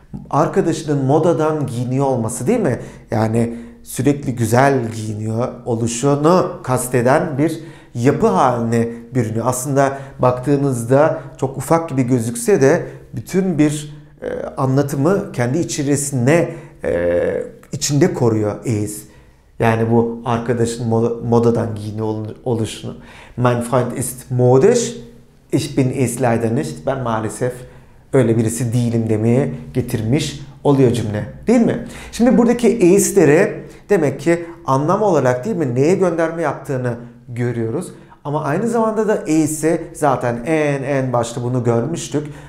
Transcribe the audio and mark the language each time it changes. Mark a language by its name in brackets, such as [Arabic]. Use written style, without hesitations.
[Turkish] Arkadaşının modadan giyiniyor olması değil mi? Yani sürekli güzel giyiniyor oluşunu kasteden bir yapı haline bürünüyor. Aslında baktığınızda çok ufak gibi gözükse de bütün bir anlatımı kendi içerisinde içinde koruyor is. Yani bu arkadaşın modadan giyini oluşunu. [German] Mein Freund ist modisch, ich bin es leider nicht. [Turkish] Ben maalesef öyle birisi değilim demeye getirmiş oluyor cümle. Değil mi? Şimdi buradaki ist'leri demek ki anlam olarak değil mi neye gönderme yaptığını görüyoruz. Ama aynı zamanda da ist'i zaten en başta bunu görmüştük.